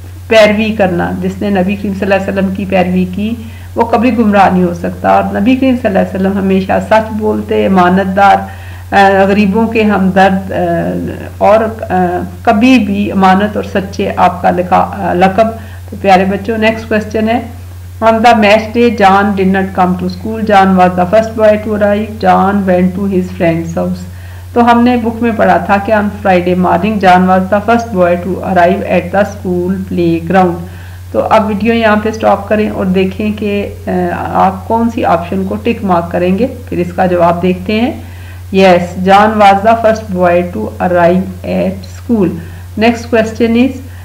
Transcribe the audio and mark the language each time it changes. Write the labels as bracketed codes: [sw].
[ur] پیروی کرنا جس نے نبی کریم صلی اللہ علیہ وسلم کی پیروی کی وہ کبھی گمراہ نہیں ہو سکتا اور نبی کریم صلی اللہ علیہ وسلم ہمیشہ سچ بولتے امانت دار غریبوں کے ہمدرد اور کبھی بھی امانت اور سچے آپ کا لقب تو پیارے بچوں نیکسٹ کوسچن ہے [en] On the match day, John did not come to school. John was the first boy to arrive. John went to his friend's house. [ur] تو ہم نے بک میں پڑھا تھا کہ [en] on Friday morning, John was the first boy to arrive at the school playground. [ur] تو اب video یہاں پہ سٹاپ کریں اور دیکھیں کہ آپ کون سی آپشن کو ٹک مارک کریں گے پھر اس کا جواب دیکھتے ہیں [en] Yes, John was the first boy to arrive at school. Next question is,